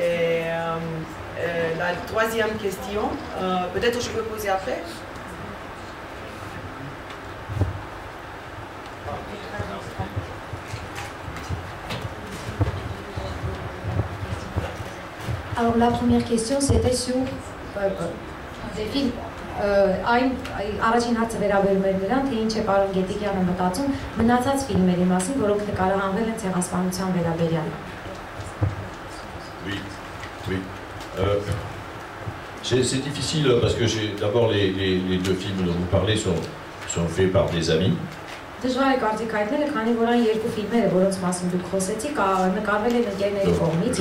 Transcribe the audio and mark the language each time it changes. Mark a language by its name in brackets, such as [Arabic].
[French] Et la troisième question, peut-être je peux poser après. Alors la première question c'était sur des films. [Armenian] Առաջին հարցը վերաբերում էր նրան, թե ինչ է պարոն Գետիկյանը մտածում մնացած ֆիլմերի մասին, որոնք նկարահանվել են ցեղասպանության վերաբերյալ. [French] Oui, oui. C'est difficile parce que j'ai d'abord les deux films dont vous parlez sont faits par des amis. [Armenian] Դժվար է կարծիք հայտնել, քանի որ այն երկու ֆիլմերը, որոնց մասին դուք խոսեցիք, նկարվել են ընկերների կողմից։